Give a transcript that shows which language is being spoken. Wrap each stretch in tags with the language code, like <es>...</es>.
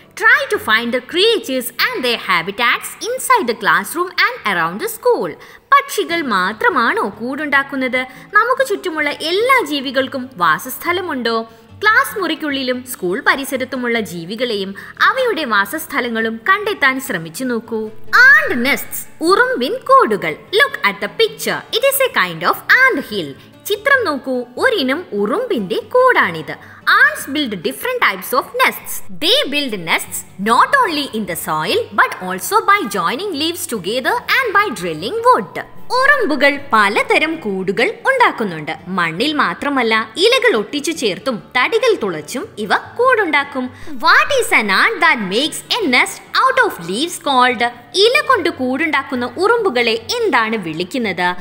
<en>Try to find the creatures and their habitats inside the classroom and around the school.</en> <ml>പക്ഷികൾ മാത്രമാണോ കൂടുണ്ടാക്കുന്നത്? നമുക്ക് ചുറ്റുമുള്ള എല്ലാ ജീവികൾക്കും വാസസ്ഥലമുണ്ടോ? ക്ലാസ് മുറിക്കുള്ളിലും സ്കൂൾ പരിസരത്തുമുള്ള ജീവികളെയും അവയുടെ വാസസ്ഥലങ്ങളും കണ്ടെത്താൻ ശ്രമിച്ചു നോക്കൂ.</ml> <en>and nests,</en> <ml>ഉറുമ്പിൻ കൂടുകൾ.</ml> <en>Look at the picture. It is a kind of ant hill.</en> <ml>ചിത്രം നോക്കൂ, ഒരിനം ഉറുമ്പിന്റെ കൂടാണിത്.</ml> <en>Ants build different types of nests. They build nests not only in the soil but also by joining leaves together and by drilling wood.</en> <ml>ഉറുമ്പുകൾ പലതരം കൂടുകൾ ഉണ്ടാക്കുന്നുണ്ട്. മണ്ണിൽ മാത്രമല്ല ഇലകൾ ഒട്ടിച്ചു ചേർത്തും തടികൾ തുളച്ചും ഇവ കൂടുണ്ടാക്കും.</ml> <en>What is an ant that makes a nest out of leaves called?</en> <ml>ഇല കൊണ്ട് കൂടുണ്ടാക്കുന്ന ഉറുമ്പുകളെ എന്താണ് വിളിക്കുന്നത്?</ml>